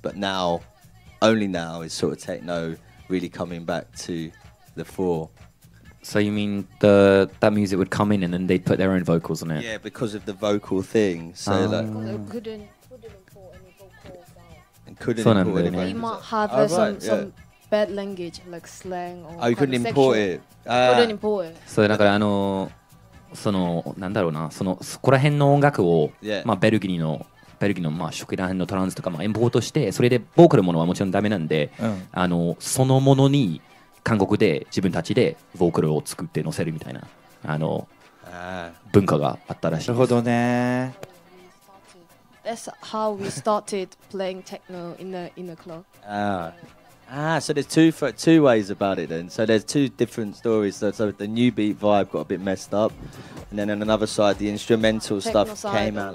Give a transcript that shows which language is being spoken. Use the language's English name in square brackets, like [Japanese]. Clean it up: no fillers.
[English] But now, only now, is sort of techno really coming back to the fore. So you mean that music would come in and then they'd put their own vocals on it? Yeah, because of the vocal thing. So like, couldn't import any vocals. You might have some bad language, like slang or. Oh, you couldn't import it. Couldn't import it. [Japanese] So だからあのそのなんだろうな、そのそこら辺の音楽をまあベルギーのまあ初期ら辺のトランスとかまあエンポートして、それでボーカルものはもちろんダメなんで、あのそのものに。韓国で自分たちでボーカルを作って乗せるみたいなあの文化があったらしいです。なるほどね。 [English] That's how we started playing techno in the club. So there's two ways about it then. So there's two different stories. So the new beat vibe got a bit messed up, and then on another side, the instrumental stuff came out.